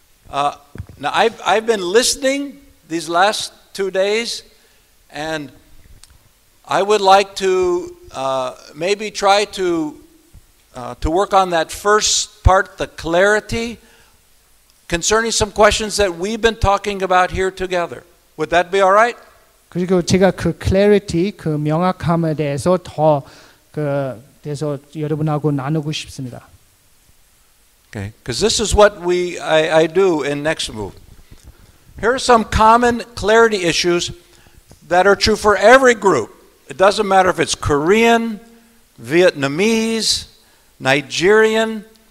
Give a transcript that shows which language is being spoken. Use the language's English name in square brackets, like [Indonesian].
[English] Now I've been listening these last 2 days, and I would like to maybe try to work on that first part, the clarity, concerning some questions that we've been talking about here together. Would that be all right? [Korean] 그리고 제가 그 clarity, 그 명확함에 대해서 더 그 대해서 여러분하고 나누고 싶습니다. [English] Okay, because this is what I do in Next Move. Here are some common clarity issues that are true for every group. It doesn't matter if it's Korean, Vietnamese, Nigerian.